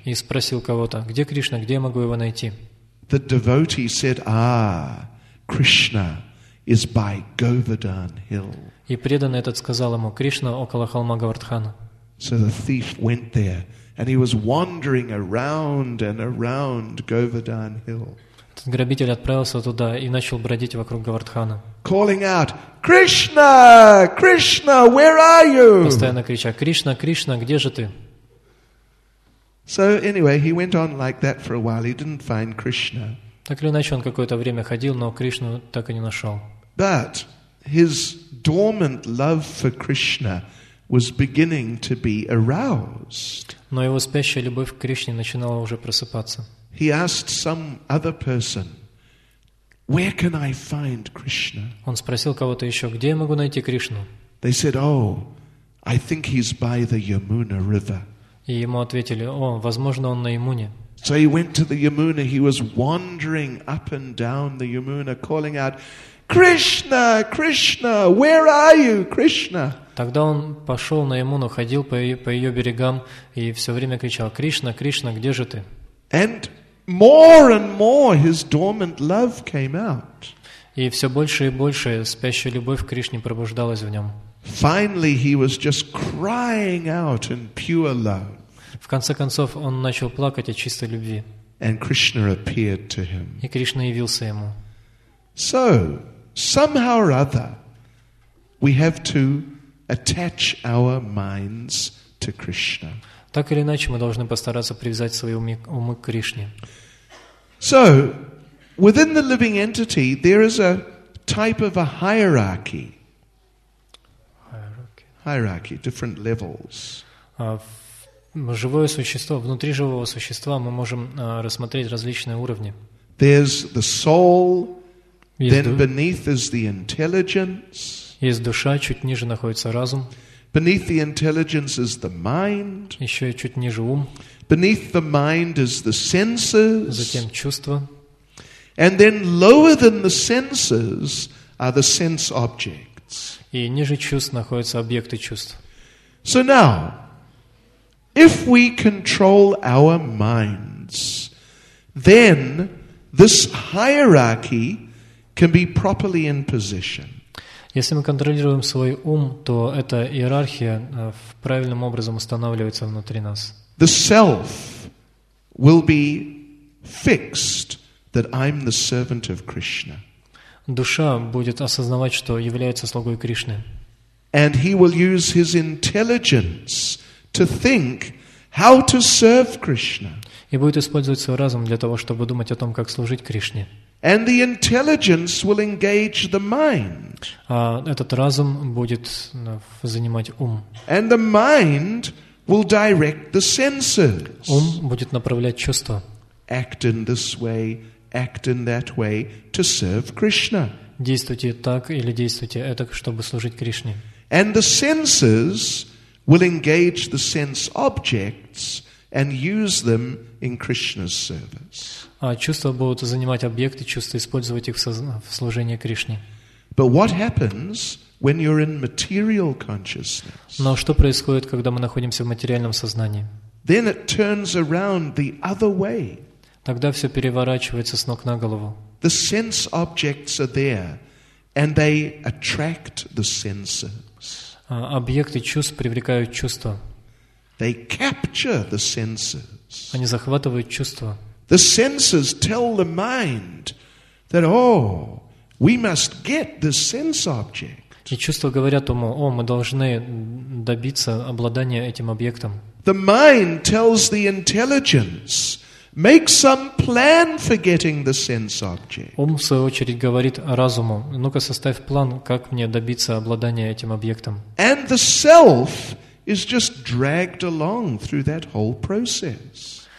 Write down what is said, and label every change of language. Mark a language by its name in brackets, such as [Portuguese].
[Russian] И спросил кого-то, где Кришна, где я могу его найти? [English] The devotee said, Krishna is by Govardhan Hill." [Russian] И преданный этот сказал ему, Кришна около холма Говардхана. [English] So the thief went there, and he was wandering around and around Govardhan Hill. [Russian] Этот грабитель отправился туда и начал бродить вокруг Говардхана. [English] Calling out, "Krishna, Krishna, where are you?" [Russian] Постоянно крича, Кришна, Кришна, где же ты? [English] So anyway, he went on like that for a while. He didn't find Krishna. [Russian] Так или иначе, он какое-то время ходил, но Кришну так и не нашел. [English] But his dormant love for Krishna was beginning to be aroused. [Russian] Но его спящая любовь к Кришне начинала уже просыпаться. [English] He asked some other person, "Where can I find Krishna?" [Russian] Он спросил кого-то еще, где я могу найти Кришну? [English] They said, "Oh, I think he's by the Yamuna River." [Russian] И ему ответили, о, возможно, он на Ямуне. [English] So he went to the Yamuna. He was wandering up and down the Yamuna, calling out, "Krishna, Krishna, where are you, Krishna?" [Russian] Тогда он пошел на Ямуну, ходил по ее берегам и все время кричал, "Кришна, Кришна, где же ты?" [English] And more his dormant love came out. [Russian] И все больше и больше спящая любовь к Кришне пробуждалась в нем. [English] Finally, he was just crying out in pure love. [Russian] В конце концов, он начал плакать от чистой любви. [English] And Krishna appeared to him. [Russian] И Кришна явился ему. [English] So, somehow or other, we have to attach our minds to Krishna. [Russian] Так или иначе, мы должны постараться привязать свои умы к Кришне. [English] So, within the living entity, there is a type of a hierarchy. Hierarchy, different levels. [Russian] Живое существо, внутри живого существа мы можем рассмотреть различные уровни. [English] There's the soul, then beneath is the intelligence. [Russian] Есть душа, чуть ниже находится разум. [English] Beneath the intelligence is the mind. [Russian] Еще чуть ниже ум. [English] Beneath the mind is the senses. [Russian] Затем чувства. [English] And then lower than the senses are the sense objects. [Russian] И ниже чувств находятся объекты чувств. [English] So now, if we control our minds, then this hierarchy can be properly in position. [Russian] Если мы контролируем свой ум, то эта иерархия правильным образом устанавливается внутри нас. [English] The self will be fixed that I'm the servant of Krishna. [Russian] Душа будет осознавать, что является слугой Кришны. [English] And he will use his intelligence to think how to serve Krishna. [Russian] И будет использовать свой разум для того, чтобы думать о том, как служить Кришне. [English] And the intelligence will engage the mind. [Russian] Этот разум будет занимать ум. [English] And the mind will direct the senses. [Russian] Ум будет направлять чувства. [English] Act in this way, act in that way to serve Krishna. [Russian] Действуйте так или действуйте этак, чтобы служить Кришне. [English] And the senses will engage the sense objects and use them in Krishna's service. [Russian] А чувства будут занимать объекты, чувства использовать их в служении Кришне. [English] But what happens when you're in material consciousness? [Russian] Но что происходит, когда мы находимся в материальном сознании? [English] Then it turns around the other way. [Russian] Тогда все переворачивается с ног на голову. [English] The sense objects are there, and they attract the senses. [Russian] Объекты чувств привлекают чувства. [English] They capture the senses. [Russian] Они захватывают чувства. [English] The senses tell the mind that, we must get the sense object. [Russian] И чувства говорят ему, мы должны добиться обладания этим объектом. [English] The mind tells the intelligence, make some plan for getting the sense object. [Russian] Ум, в свою очередь, говорит разуму, ну-ка, составь план, как мне добиться обладания этим объектом. [English] And the self is just dragged along through that whole process.